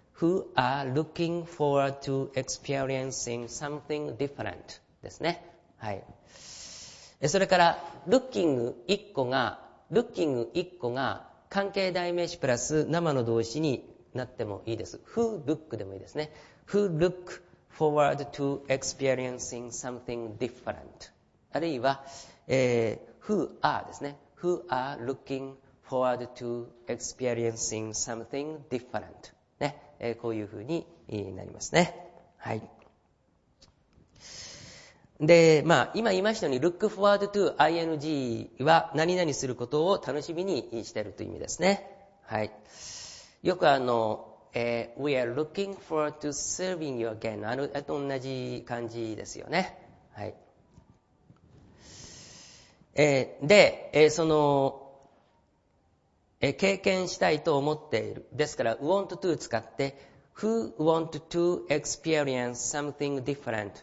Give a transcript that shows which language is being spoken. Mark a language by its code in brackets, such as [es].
[en] who are looking forward to experiencing something different ですね。 [ja] はい、それから looking 1個が関係代名詞プラス生の動詞になってもいいです。 [en] who look [ja] でもいいですね。 [en] who look forward to experiencing something different、 [ja] あるいは、 [en] who are [ja] ですね。 [en] who are looking forward to experiencing something different、ね、こういうふうになりますね。 [ja] はい、で、まあ、今言いましたように、 [en] look forward to ing [ja] は、何々することを楽しみにしているという意味ですね。はい。よく [en] we are looking forward to serving you again。 [ja] あれと同じ感じですよね。はい。で、経験したいと思っている。ですから、 [en] want to [ja] 使って、 [en] Who want to experience something different?